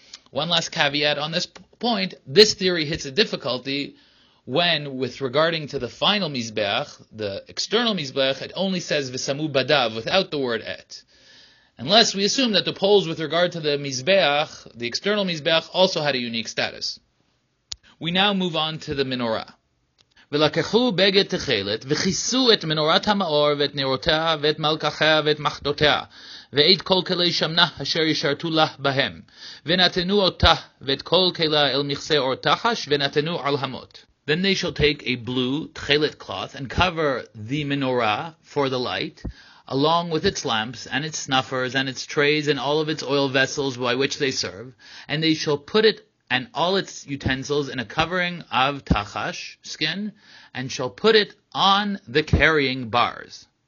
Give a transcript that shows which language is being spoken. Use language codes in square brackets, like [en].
[en] One last caveat on this point: this theory hits a difficulty when, with regarding to the final Mizbeach, the external Mizbeach, it only says [he] Visamu Badav [en] without the word Et. Unless we assume that the poles with regard to the Mizbeach, the external Mizbeach, also had a unique status. We now move on to the menorah. [he] ולקחו בגד תכלת, וכיסו את מנורת המאור, ואת נרותיה, ואת מלככיה, ואת מחדותיה, ואת כל כלי שמנה אשר ישרתו לה בהם, ונתנו אותה ואת כל כלה אל מכסה אור תחש, ונתנו על המות. [en] Then they shall take a blue tchelet cloth and cover the menorah for the light, along with its lamps and its snuffers and its trays and all of its oil vessels by which they serve, and they shall put it and all its utensils in a covering of tachash, skin, and shall put it on the carrying bars.